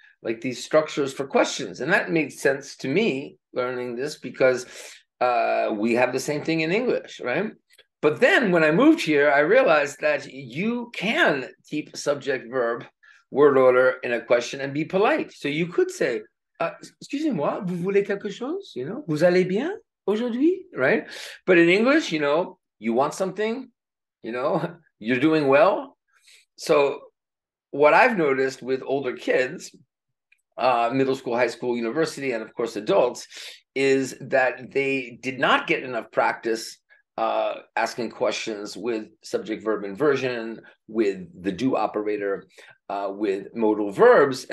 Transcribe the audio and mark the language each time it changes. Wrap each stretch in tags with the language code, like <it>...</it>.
<en>Like these structures for questions. And that made sense to me learning this because we have the same thing in English, right? But then when I moved here, I realized that you can keep subject verb word order in a question and be polite. So you could say,</en> <fr>excusez-moi, vous voulez quelque chose?</fr> <en>You know,</en> <fr>vous allez bien aujourd'hui,</fr> <en>right? But in English, you know, you want something, you know, you're doing well. So what I've noticed with older kids, middle school, high school, university, and of course adults, is that they did not get enough practice asking questions with subject verb inversion, with the do operator, with modal verbs.</en>